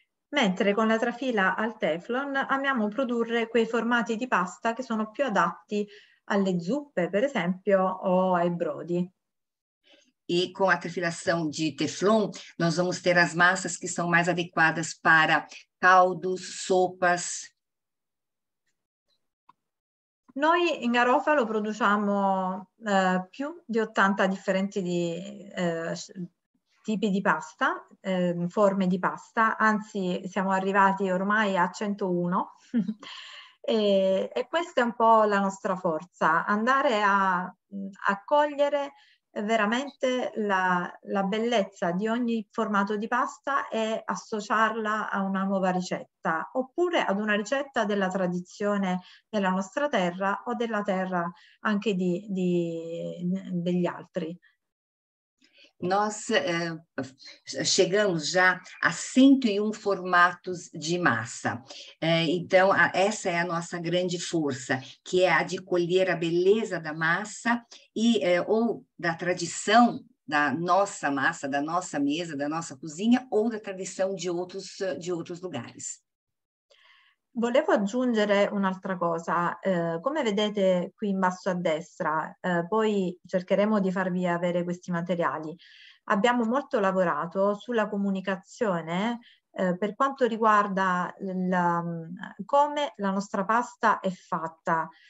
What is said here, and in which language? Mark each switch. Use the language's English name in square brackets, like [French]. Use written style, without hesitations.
[Italian] Mentre con la trafila al teflon amiamo produrre quei formati di pasta che sono più adatti alle zuppe, per esempio, o ai brodi. [Portuguese] E com a trifilação de teflon, nós vamos ter as massas que são mais adequadas para caldos, sopas. [Italian] Noi in Garofalo produciamo più di 80 differenti di, tipi di pasta, forme di pasta, anzi siamo arrivati ormai a 101. e questa è un po' la nostra forza, andare a cogliere veramente la bellezza di ogni formato di pasta e associarla a una nuova ricetta, oppure ad una ricetta della tradizione della nostra terra o della terra anche di degli altri. [Portuguese] Nós chegamos já a 101 formatos de massa. Então, essa é a nossa grande força, que é a de colher a beleza da massa e, ou da tradição da nossa massa, da nossa mesa, da nossa cozinha, ou da tradição de outros lugares. [Italian] Volevo aggiungere un'altra cosa. Come vedete qui in basso a destra, poi cercheremo di farvi avere questi materiali. Abbiamo molto lavorato sulla comunicazione per quanto riguarda come la nostra pasta è fatta.